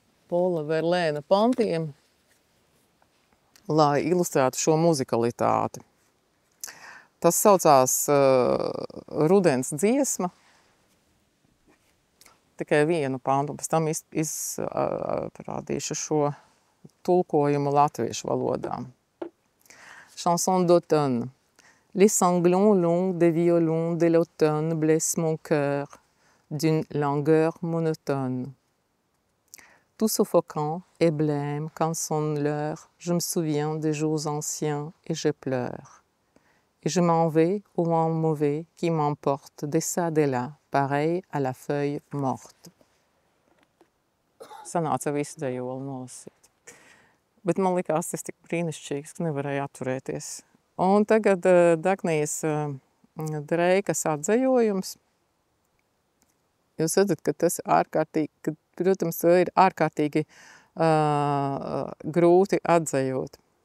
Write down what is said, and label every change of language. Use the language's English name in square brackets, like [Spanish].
[Latvian] Paula Verlaine pantiem, lai ilustrētu šo muzikalitāti. Tas saucās rudens dziesma, tikai vienu pantu, pēc tam izrādīšu šo tulkojumu latviešu valodā. [French] Chanson d'automne. Les sanglons longs des violons de l'automne blessent mon cœur d'une langueur monotone. Tout suffocant et blême quand sonne l'heure, je me souviens des jours anciens et je pleure. Et je m'en vais au vent mauvais qui m'emporte deçà delà, pareil à la feuille morte. [Latvian] Sanāca visu dejoli nolasīt. Bet man likās tas tik brīnišķīgs, ka nevarēja atturēties. Un tagad Dagnijas Dreikas atdzejojums. Jūs redzat, ka tas ārkārtīgi, ka, protams, to ir ārkārtīgi grūti atdzejot.